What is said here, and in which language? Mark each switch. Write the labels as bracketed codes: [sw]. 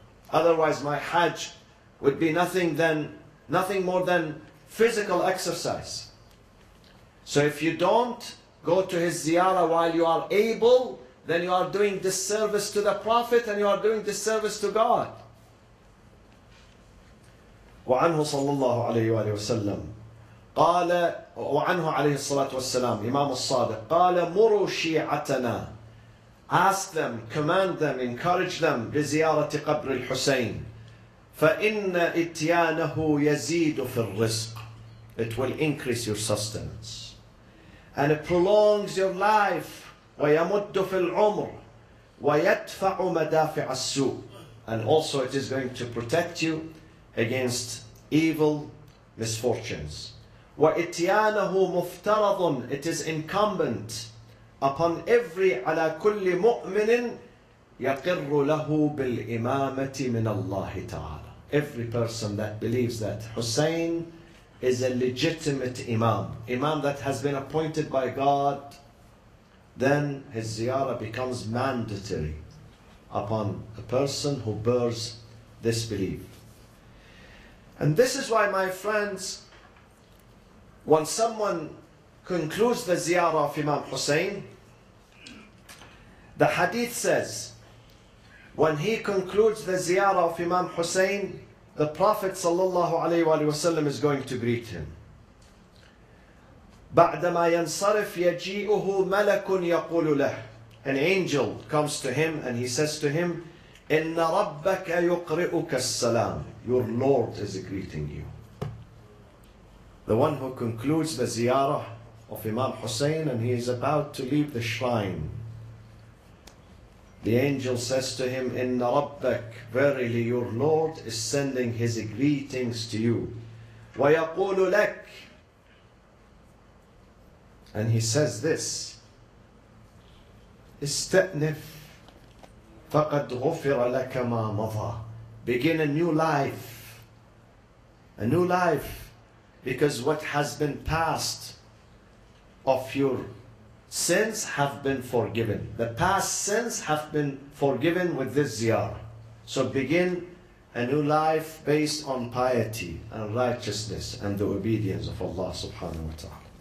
[en] Otherwise, my Hajj would be nothing more than physical exercise. So if you don't go to his ziyarah while you are able, then you are doing disservice to the Prophet and you are doing disservice to God. [ar] وعنه صلى الله عليه وآله وسلم قال وعنه عليه الصلاة والسلام إمام الصادق قال مروا شيعتنا. [en] Ask them, command them, encourage them [ar] بزيارة قبر الحسين. فإن إتيانه يزيد في الرزق. [en] It will increase your sustenance. And it prolongs your life. [ar] وَيَمُدُّ فِي الْعُمْرِ وَيَدْفَعُ مَدَافِعَ السُّوءِ. [en] And also it is going to protect you against evil misfortunes. [ar] وَإِتْيَانَهُ مُفْتَرَضٌ. [en] It is incumbent upon every [ar] عَلَى كُلِّ مُؤْمِنٍ يَقِرُّ لَهُ بِالْإِمَامَةِ مِنَ اللَّهِ تَعَالَى. [en] Every person that believes that Hussein is a legitimate Imam, Imam that has been appointed by God, then his ziyarah becomes mandatory upon a person who bears this belief. And this is why, my friends, when someone concludes the ziyarah of Imam Hussein, the hadith says, when he concludes the ziyarah of Imam Hussein, the Prophet sallallahu alayhi wa alayhi wa sallam is going to greet him. [ar] بعدما ينصرف يجيئه ملك يقول له. [en] An angel comes to him and he says to him, [ar] إن ربك يقرئك السلام. [en] Your Lord is greeting you. The one who concludes the ziyarah of Imam Hussein and he is about to leave the shrine. The angel says to him, [ar] إن ربك, [en] verily your Lord is sending his greetings to you. [ar] ويقول لك. [en] And he says this, [ar] استأنف فقد غفر لك ما مضى. [en] Begin a new life. A new life. Because what has been passed of your sins have been forgiven. The past sins have been forgiven with this ziyarah. So begin a new life based on piety and righteousness and the obedience of Allah subhanahu wa ta'ala.